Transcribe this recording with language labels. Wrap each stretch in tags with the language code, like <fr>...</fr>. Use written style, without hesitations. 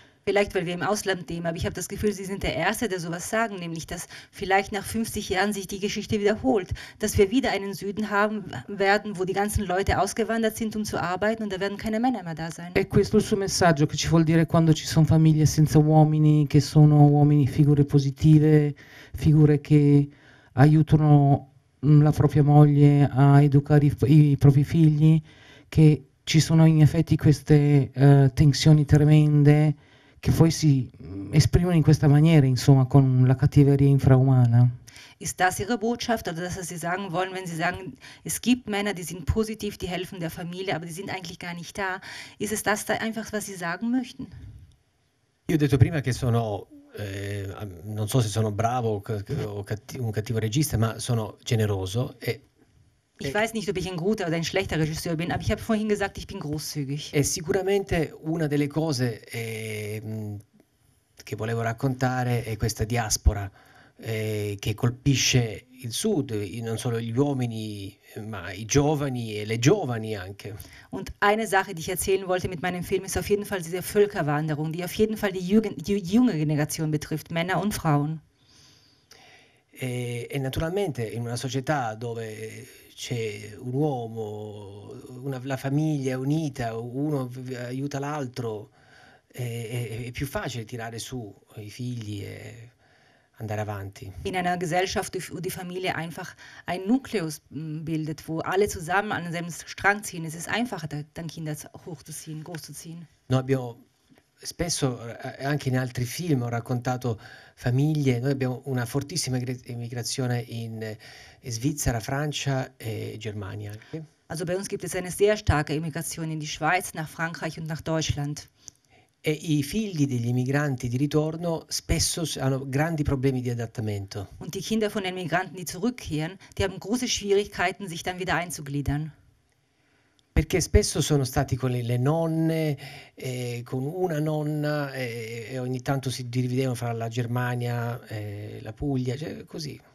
<de>Vielleicht weil wir im Ausland leben, aber ich habe das Gefühl, Sie sind der Erste, der sowas sagen, nämlich dass vielleicht nach 50 Jahren sich die Geschichte wiederholt, dass wir wieder einen Süden haben werden, wo die ganzen Leute ausgewandert sind, um zu arbeiten, und da werden keine Männer mehr da sein.</de> <it>E questo è il suo messaggio che ci vuol dire quando ci sono famiglie senza uomini, che sono uomini figure positive, figure che aiutano la propria moglie a educare i propri figli, che ci sono in effetti queste tensioni tremende che poi si esprimono in questa maniera, insomma, con la cattiveria infraumana.</it> <de>Ist das Ihre Botschaft oder das, was Sie sagen wollen, wenn Sie sagen, es gibt Männer, die sind positiv, die helfen der Familie, aber die sind eigentlich gar nicht da? Ist es das da einfach, was Sie sagen möchten?</de> <it>Io ho detto prima che sono non so se sono bravo o un cattivo regista, ma sono generoso e</it> <de>ich weiß nicht, ob ich ein guter oder ein schlechter Regisseur bin, aber ich habe vorhin gesagt, ich bin großzügig.</de> <it>E sicuramente una delle cose che volevo raccontare è questa diaspora che colpisce il sud, non solo gli uomini, ma i giovani e le giovani anche.</it> <de>Und eine Sache, die ich erzählen wollte mit meinem Film, ist auf jeden Fall diese Völkerwanderung, die auf jeden Fall die junge Generation betrifft, Männer und Frauen.</de> <it>E naturalmente in una società dove c'è un uomo, la famiglia è unita, uno aiuta l'altro, è più facile tirare su i figli e andare avanti.</it> <de>In einer Gesellschaft, wo die Familie einfach ein Nukleus bildet, wo alle zusammen an demselben Strang ziehen, es ist einfacher, dann Kinder hochzuziehen, großzuziehen.</de> <it>Noi abbiamo spesso, anche in altri film, ho raccontato famiglie, noi abbiamo una fortissima immigrazione in Svizzera, Francia e Germania.</it> <de>Also bei uns gibt es eine sehr starke Immigration in die Schweiz, nach Frankreich und nach Deutschland.</de> <it>E i figli degli immigranti di ritorno spesso hanno grandi problemi di adattamento.</it> <de>Und die Kinder von den Migranten, die zurückkehren, die haben große Schwierigkeiten, sich dann wieder einzugliedern.</de> <it>Perché spesso sono stati con le nonne, con una nonna, e ogni tanto si dividevano fra la Germania, la Puglia, cioè così.</it>